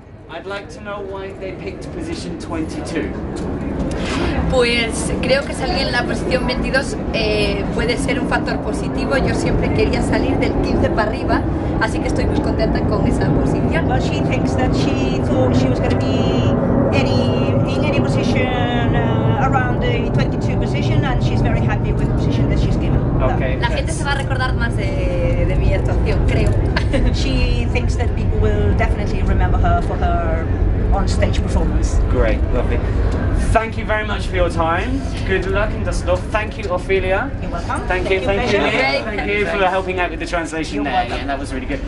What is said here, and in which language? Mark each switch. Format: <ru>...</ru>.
<en>I'd like to know why they picked position 22.</en> <es>Pues creo que salir en la posición 22 puede ser un factor positivo. Yo siempre quería salir del 15 para arriba, así que estoy muy contenta con esa posición.</es> <en>Well, she thinks that she thought she was going to be in any position around the 22 position, and she's very happy with the position that she's given. Okay.</en> <es>La gente se va a recordar más de mi actuación, creo.</es> <en>She thinks that people will definitely remember her for her on stage performance. Great, lovely. Thank you very much for your time. Good luck in Dusseldorf. Thank you, Ophelia. You're welcome. Thank you for helping out with the translation there. Yeah, that was really good.</en>